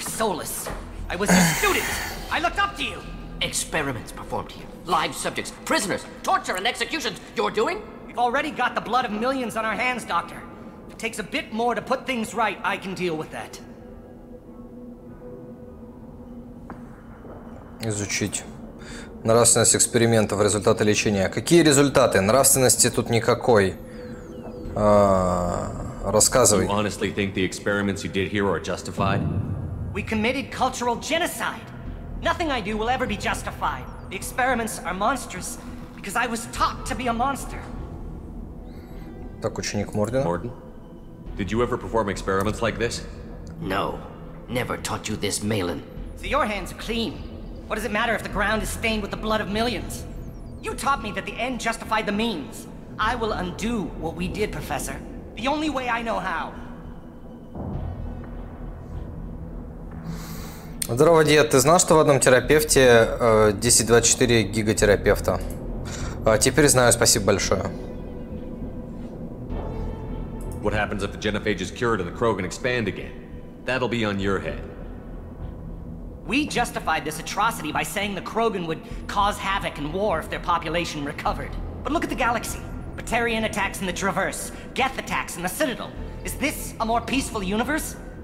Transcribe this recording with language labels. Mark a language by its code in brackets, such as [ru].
[en] Solus? I was a student! I looked up to you! Experiments performed here. Live subjects, prisoners, torture and executions you're doing? We've already got the blood of millions on our hands, Doctor. If it takes a bit more to put things right, I can deal with that. [ru] Изучить нравственность экспериментов, результаты лечения. Какие результаты? Нравственности тут никакой. Рассказывай. [en] You honestly think the experiments you did here are justified? We committed cultural genocide. Nothing I do will ever be justified. The experiments are monstrous because I was taught to be a monster. [ru] Так, ученик Мордена. [en] Morden, did you ever perform experiments like this? No. Never taught you this, Malin. So your hands are clean. What does it matter if the ground is stained with the blood of millions? You taught me that the end justified the means. I will undo what we did, Professor. The only way I know how. [ru] Здорово, дед. Ты знал, что в одном терапевте 10-24 гигатерапевта? Теперь знаю. Спасибо большое. [en] What happens if the genophage is cured and the Krogan expand again? That'll be on your head. We justified this atrocity by saying the Krogan would cause havoc and war if their population recovered. But look at the galaxy. Batarian attacks in the Traverse, Geth attacks in the Citadel. Is this a more peaceful universe?